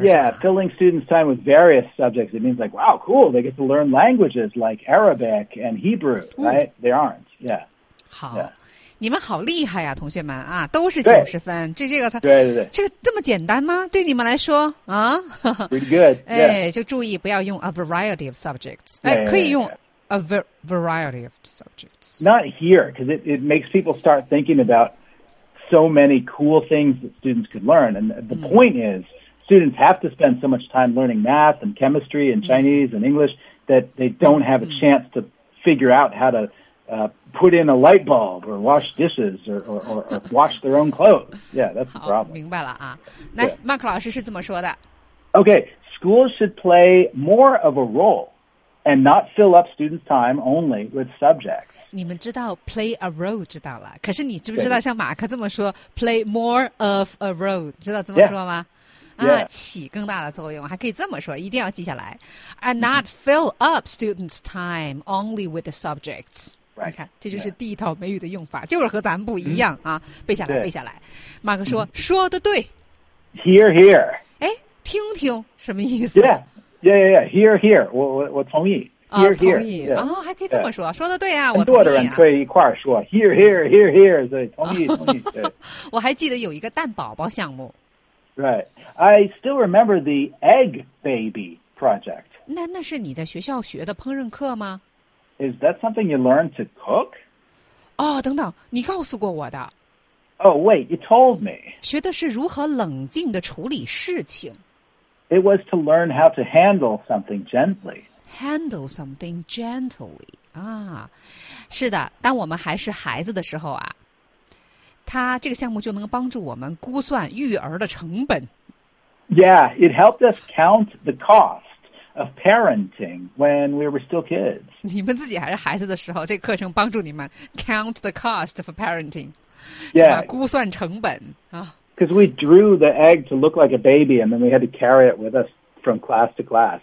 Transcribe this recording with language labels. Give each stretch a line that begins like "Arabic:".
English: Yeah, filling students' time with various subjects, it means like, wow, cool, they get to learn languages like Arabic and Hebrew, right? They aren't, yeah. 好， yeah.
Chinese: 你们好厉害呀、啊，同学们啊，都是九十分，这个词，对对对，这个这么简单吗？对你们来说啊
English: ，pretty good. 哎、 yeah. ，
Chinese: 就注意不要用
English: a variety of subjects，
Chinese: 哎、 yeah, yeah, ，可以用。
English: Yeah, yeah. A variety of subjects. Not here, because it makes people start thinking about so many cool things that students could learn. And the point is, students have to spend so much time learning math and chemistry and Chinese and English that they don't have a chance to figure out how to put in a light bulb or wash dishes or wash their own clothes. Yeah, that's the problem.
Chinese: 明白了啊。那马克老师是这么说的。
English: Okay, schools should play more of a role. And not fill up students' time only with subjects.
Chinese: 你们知道 play a role 知道了，可是你知不知道像马克这么说
English: play more of a role
Chinese: 知道这么说吗？
English: Yeah.
Chinese: 啊，起更大的作用，还可以这么说，一定要记下来。
English: And not fill up students' time only with the subjects. Right.
Chinese: 你看，这就是地道美语的用法，就是和咱们不一样啊！背下来，背下来。马克说：“说的对。”
English: Hear, hear.
Chinese: 哎，听听什么意思？
English: Yeah. Yeah, yeah, yeah. Here, here.
Chinese: 我同意。
English: Here, here.
Chinese: 同意。然后还可以这么说，说的对啊，很多的人可以一块儿说
English: here, here, here, here.
Chinese: 对，同意，同意。对。我还记得有一个蛋宝宝项目。
English: Right. I still remember the egg baby project.
Chinese: 那是你在学校学的烹饪课吗
English: ？Is that something you learn to cook?
Chinese: 哦，等等，你告诉过我的。
English: Oh wait, you told me.
Chinese: 学的是如何冷静地处理事情。
English: It was to learn how to handle something gently. Handle something gently.
Chinese: 啊，是的，当我们还是孩子的时候啊，他这个项目就能帮助我们估算育儿的成本。
English: Yeah, it helped us count the cost of parenting when we were still kids.
Chinese: 你们自己还是孩子的时候，这个课程帮助你们
English: count the cost of parenting. Yeah.
Chinese: 估算成本啊。
English: Because we drew the egg to look like a baby, and then we had to carry it with us from class to class.